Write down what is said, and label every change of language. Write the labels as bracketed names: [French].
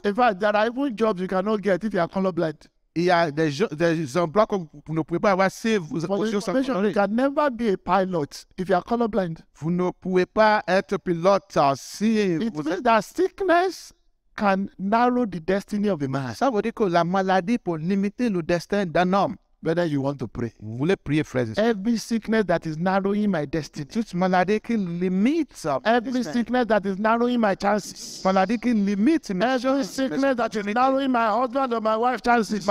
[English] In fact, there are even jobs you cannot get if you are colorblind. [French] Il y a des emplois que vous ne pouvez pas avoir si vous êtes sans couleur. [English] You can never be a pilot if you are colorblind. [French] Vous ne pouvez pas être pilote si [English] means that sickness can narrow the destiny of a man. [French] Ça veut dire que la maladie peut limiter le destin d'un homme. [English] Whether you want to pray. [French] Vous voulez prier, frères. [English] Every sickness that is narrowing my destiny. [French] Toute maladie qui limite. [English] Every sickness that is narrowing my chances. [French] Maladie qui limite. [English] Every sickness that is narrowing my husband or my wife's chances.